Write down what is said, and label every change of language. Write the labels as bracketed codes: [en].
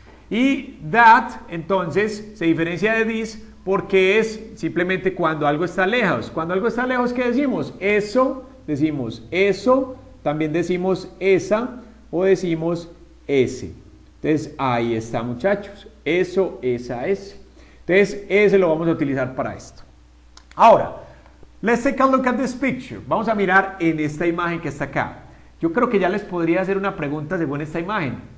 [es] Y that, entonces, se diferencia de this porque es simplemente cuando algo está lejos. Cuando algo está lejos, ¿qué decimos? Eso, decimos eso, también decimos esa, o decimos ese. Entonces, ahí está, muchachos. Eso, esa, ese. Entonces, ese lo vamos a utilizar para esto. [en] Ahora, let's take a look at this picture. [es] Vamos a mirar en esta imagen que está acá. Yo creo que ya les podría hacer una pregunta según esta imagen.